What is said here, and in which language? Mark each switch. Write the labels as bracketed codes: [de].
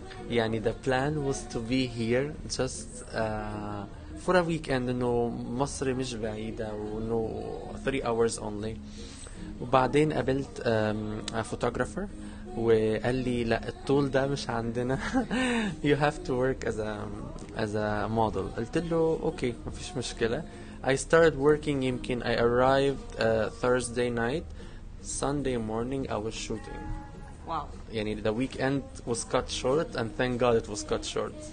[en] يعني the plan was to be here just for a weekend، [ar] إنه مصر مش بعيدة وإنه [en] 3 hours only. [ar] وبعدين قابلت [en] a photographer [ar] وقال لي لا الطول ده مش عندنا. [en] you have to work as a model. [ar] قلت له okay مفيش مشكلة. [en] I started working. يمكن I arrived Thursday night. Sunday morning I was shooting. Wow. يعني the weekend was cut short and thank God it was cut short.